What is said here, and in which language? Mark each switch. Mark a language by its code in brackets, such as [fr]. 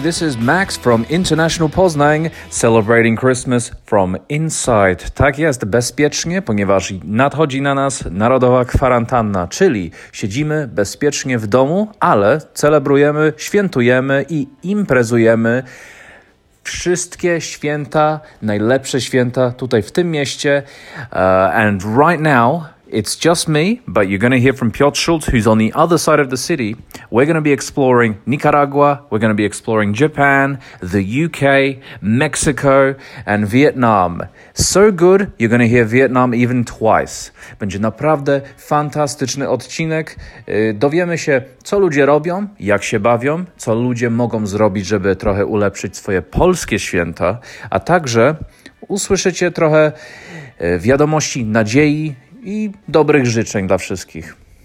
[en] This is Max from International Poznań, celebrating Christmas from inside. [pl] Tak jest, bezpiecznie, ponieważ nadchodzi na nas narodowa kwarantanna, czyli siedzimy bezpiecznie w domu, ale celebrujemy, świętujemy i imprezujemy wszystkie święta, najlepsze święta tutaj w tym mieście. [en] And right now, it's just me, but you're going to hear from Piotr Schultz, who's on the other side of the city. We're going to be exploring Nicaragua, we're going to be exploring Japan, the UK, Mexico, and Vietnam. So good, you're going to hear Vietnam even twice. [pl] Będzie naprawdę fantastyczny odcinek. Dowiemy się, co ludzie robią, jak się bawią, co ludzie mogą zrobić, żeby trochę ulepszyć swoje polskie święta, a także usłyszycie trochę wiadomości, nadziei i dobrych życzeń dla wszystkich.